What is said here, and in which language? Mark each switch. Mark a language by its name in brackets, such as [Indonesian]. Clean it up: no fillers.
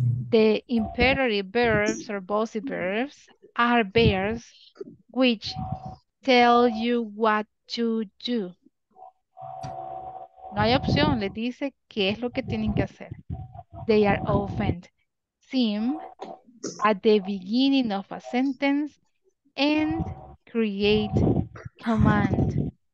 [English] The imperative verbs or bossy verbs are verbs which tell you what to do. [Spanish] No hay opción, les dice qué es lo que tienen que hacer. [English] They are often seen at the beginning of a sentence and create command.